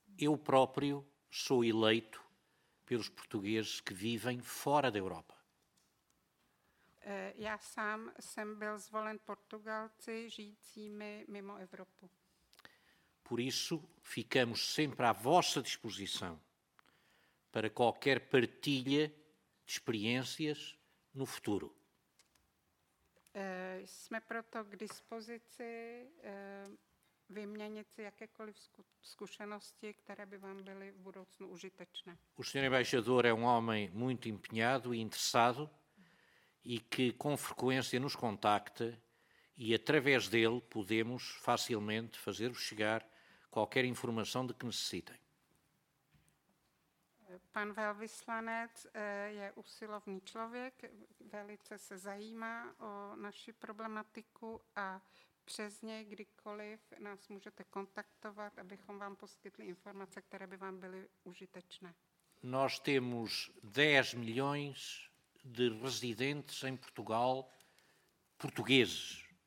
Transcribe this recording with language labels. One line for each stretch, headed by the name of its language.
Portuguese: Eu próprio sou eleito pelos portugueses que vivem fora da Europa.
Czech: Já sám jsem byl zvolen Portugalci žijícími mimo Evropu.
Portuguese: Por isso ficamos sempre à vossa disposição para qualquer partilha de experiências no futuro.
Czech: Jsme proto k dispozici vyměnit si jakékoliv zkušenosti, které by vám byly v budoucnu užitečné.
Portuguese: O senhor embaixador é homem muito empenhado e interessado e que com frequência nos contacta e através dele podemos facilmente fazer-vos chegar qualquer informação de que necessitem.
Czech: Pan velvyslanec je usilovný člověk, velice se zajímá o naši problematiku a přes něj kdykoliv nás můžete kontaktovat, abychom vám poskytli informace, které by vám byly užitečné.
Portuguese: Nós temos 10 milhões de residentes em Portugal portugueses.